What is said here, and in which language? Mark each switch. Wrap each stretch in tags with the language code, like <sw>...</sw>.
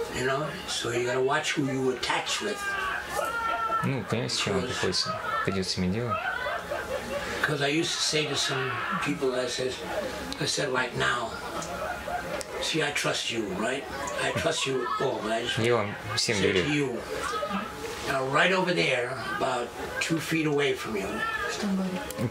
<en>You know, so you gotta watch who you attach with.</en> <ru>Ну, понимаешь, с чем вам придется иметь дело?</ru> <en>Because I used to say to some people, I said like now, see, I trust you, right? I trust you all, but I just</en> <ru>я вам всем</ru> <en>said</en> <ru>верю.</ru> <en>To you, now right over there, about 2 feet away from you,</en>